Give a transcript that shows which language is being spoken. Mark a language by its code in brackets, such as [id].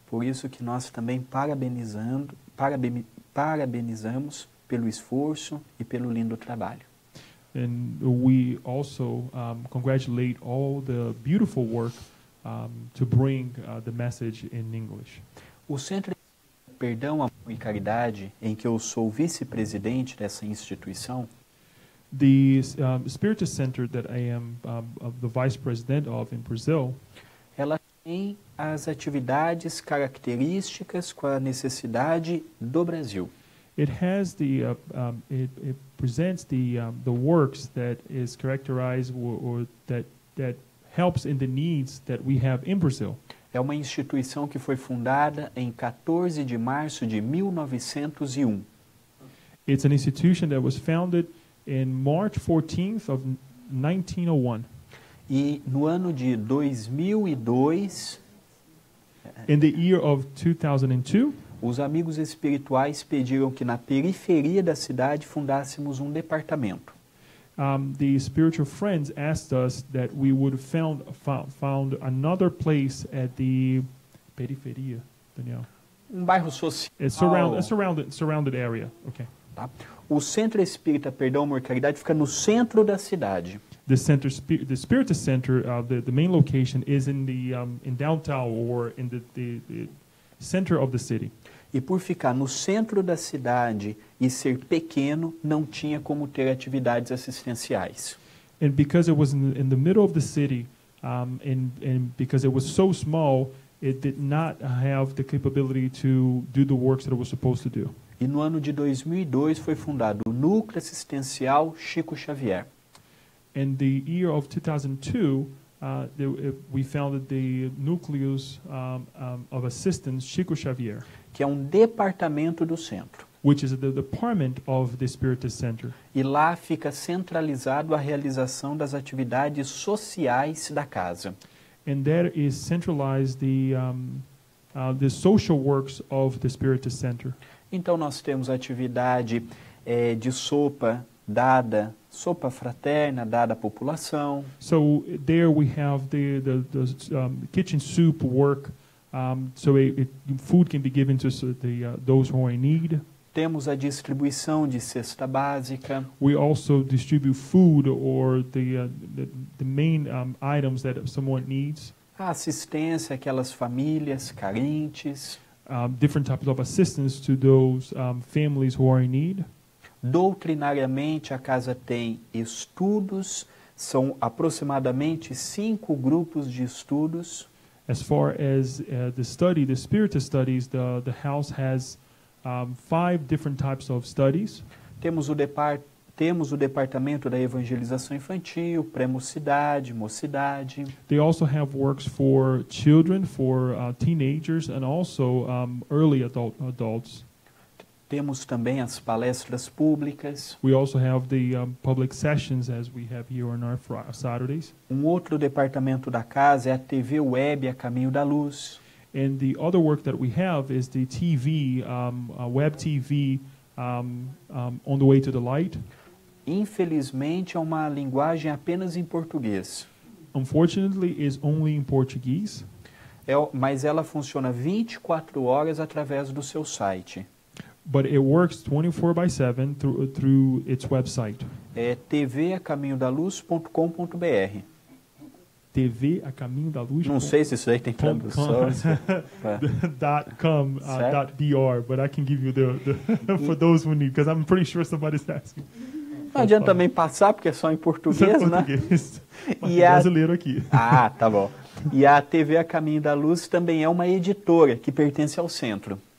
[pt] Por isso que nós também parabenizamos pelo esforço e pelo lindo trabalho. [en] And we also congratulate all the beautiful work to bring the message in English. [pt] O Centro de Perdão, Amor e Caridade, em que eu sou vice-presidente dessa instituição, [en] the Spiritist Center that I am the vice president of in Brazil, [pt] ela tem as atividades características com a necessidade do Brasil. [en] It has the it presents the works that is characterized or that helps in the needs that we have in Brazil. [pt] É uma instituição que foi fundada em 14 de março de 1901. [en] It's an institution that was founded in March 14th of 1901. [pt] E no ano de 2002, [en] in the year of 2002, [pt] Os amigos espirituais pediram que na periferia da cidade fundássemos um departamento. [en] The spiritual friends asked us that we would found another place at the periferia, Daniel. [pt] Um bairro social. [en] A surrounded area, okay. [pt] Tá. O Centro Espírita Perdão, Amor e Caridade fica no centro da cidade. [en] The main location is in the in downtown or in the center of the city. [pt] E por ficar no centro da cidade e ser pequeno, não tinha como ter atividades assistenciais. [en] And because it was in the middle of the city, and because it was so small, it did not have the capability to do the works that it was supposed to do. [pt] E no ano de 2002 foi fundado o Núcleo Assistencial Chico Xavier. [en] In the year of 2002, we founded the Nucleus of Assistance Chico Xavier, [pt] que é um departamento do centro. [en] Which is the department of the Spiritist Center. [pt] E lá fica centralizado a realização das atividades sociais da casa. [en] And there is centralized the social works of the Spiritist Center. [pt] Então nós temos atividade de sopa dada, sopa fraterna dada à população. [en] So there we have the kitchen soup work, food can be given to those who are in need. [pt] Temos a distribuição de cesta básica. [en] We also distribute food or the main items that someone needs. [pt] A assistência àquelas famílias carentes. [en] Different types of assistance to those families who are in need. [pt] Doutrinariamente, a casa tem estudos. São aproximadamente 5 grupos de estudos. [en] As far as the study, the spiritual studies, the house has 5 different types of studies. [pt] Temos o departamento da evangelização infantil, pré-mocidade, mocidade. [en] They also have works for children, for teenagers, and also early adults. [pt] Temos também as palestras públicas. [en] We also have the public sessions, as we have here on our Saturdays. [pt] Um outro departamento da casa é a TV Web, A Caminho da Luz. [en] And the other work that we have is the TV, web TV, On the Way to the Light. [pt] Infelizmente, é uma linguagem apenas em português. [en] Unfortunately, it's only in Portuguese. [pt] Mas ela funciona 24 horas através do seu site. [en] But it works 24/7 through its website. [pt] É tvacaminhodaluz.com.br. TV A Caminho da Luz. Não sei se isso aí tem tradução. [en] .com, .br, but I can give you the for those who need, because I'm pretty sure somebody's asking. [pt] Não adianta também passar, porque é só em português, né? Português. E é brasileiro aqui. Ah, tá bom. E a TV A Caminho da Luz também é uma editora que pertence ao centro.